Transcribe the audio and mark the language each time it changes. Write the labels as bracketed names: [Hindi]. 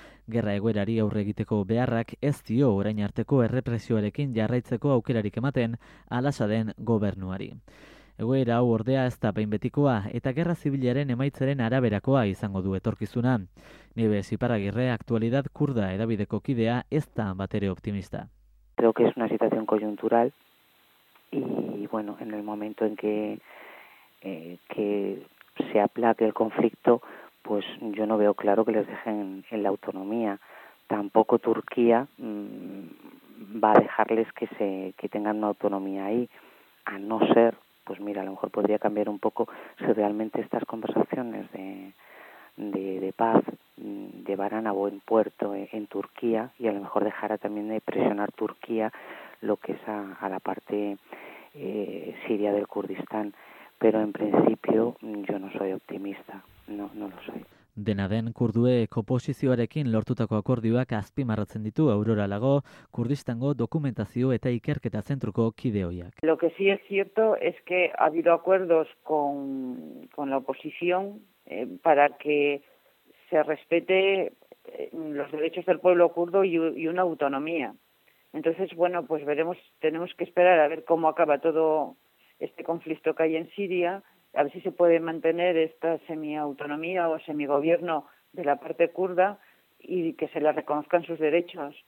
[Basque] Gerra egoerari aurre egiteko beharrak ez dio orain arteko errepresioarekin jarraitzeko aukerarik ematen Al-Asaden gobernuari. Egoera hau ordea ez da behin betikoa eta gerra zibilaren emaitzaren araberakoa izango du etorkizuna. Nibes Iparragirre, aktualidad kurda edabideko kidea ez da batere optimista. [Spanish] Creo que es una situación coyuntural. Y bueno, en el momento en que se aplaque el conflicto, pues yo no veo claro que les dejen en la autonomía. Tampoco Turquía va a dejarles que tengan una autonomía ahí, a no ser, pues mira, a lo mejor podría cambiar un poco si realmente estas conversaciones de paz llevaran a buen puerto en Turquía y a lo mejor dejara también de presionar Turquía lo que es a la parte Siria del Kurdistán, pero en principio yo no soy optimista, no lo soy. [Basque] Dena den, kurduek oposizioarekin lortutako akordioak azpimarratzen ditu Aurora Lago, Kurdistango dokumentazio eta ikerketa zentruko kideoiak. [Spanish] Lo que sí es cierto es que ha habido acuerdos con la oposición para que se respete los derechos del pueblo kurdo y una autonomía. Entonces, bueno, pues veremos, tenemos que esperar a ver cómo acaba todo este conflicto que hay en Siria, a ver si se puede mantener esta semiautonomía o semigobierno de la parte kurda y que se le reconozcan sus derechos.